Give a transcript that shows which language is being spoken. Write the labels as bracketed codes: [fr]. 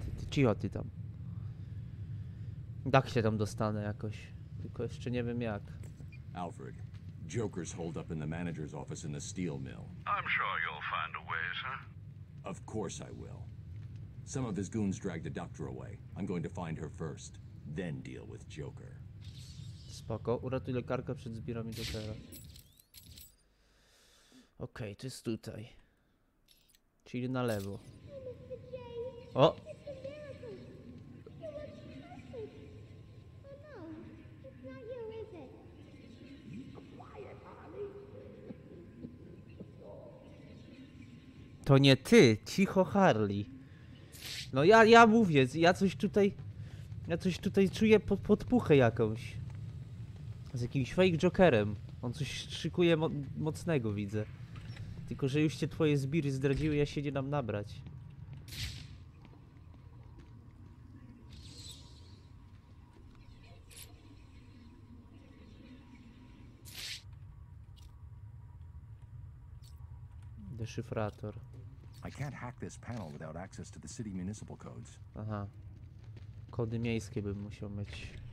[pl] Cicho ty tam. Tak się tam dostanę jakoś. Tylko jeszcze nie wiem jak. [en] Alfred, Joker's hold up in the manager's office in the steel mill. I'm sure you'll find a way, sir. Of course I will. Some of his goons dragged the doctor away. I'm going to find her first, then deal with Joker. [pl] Spoko, uratuj lekarka przed zbiorami Jokera. Okej, to jest tutaj. Czyli na lewo. O! To nie ty, cicho Harley. No ja mówię, ja coś tutaj czuję podpuchę jakąś. Z jakimś fake Jokerem. On coś szykuje mocnego, widzę. Tylko że już cię twoje zbiry zdradziły, ja się nie dam nabrać. Szyfrator. [en] I can't hack this panel without access to the city municipal codes. [pl] Aha. Kody miejskie bym musiał mieć.